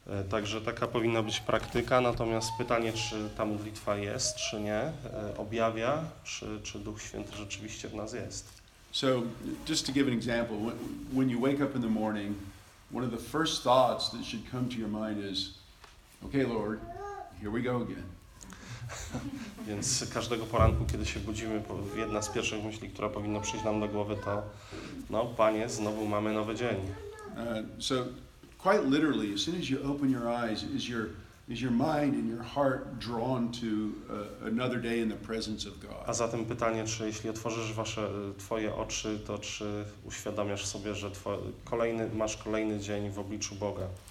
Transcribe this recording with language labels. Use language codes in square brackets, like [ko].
[pl] Także taka powinna być praktyka, natomiast pytanie, czy ta modlitwa jest, czy nie, objawia, czy Duch Święty rzeczywiście w nas jest. [en] So, just to give an example, when you wake up in the morning, one of the first thoughts that should come to your mind is, okay, Lord, here we go again. [pl] Więc każdego poranku, kiedy się budzimy, jedna z pierwszych myśli, która powinna przyjść nam do głowy, to no, Panie, znowu mamy nowy dzień. [en] So, quite literally, as soon as you open your eyes, is your mind and your heart drawn to another day in the presence of God? [pl] A zatem pytanie, czy jeśli otworzysz twoje oczy, to czy uświadamiasz sobie, że masz kolejny dzień w obliczu Boga?